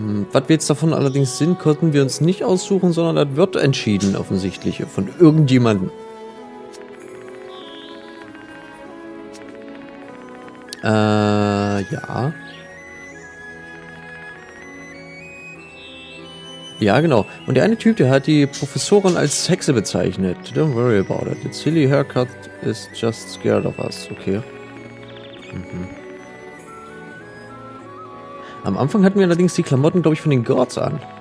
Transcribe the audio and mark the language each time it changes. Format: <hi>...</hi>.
<de>Was wir jetzt davon allerdings sind, konnten wir uns nicht aussuchen, sondern das wird entschieden, offensichtlich, von irgendjemandem. Ja. Ja, genau. Und der eine Typ, der hat die Professorin als Hexe bezeichnet.</de> <en>Don't worry about it. The silly haircut is just scared of us. Okay. Mhm.</en> <de>Am Anfang hatten wir allerdings die Klamotten, glaube ich, von den Gods an.</de>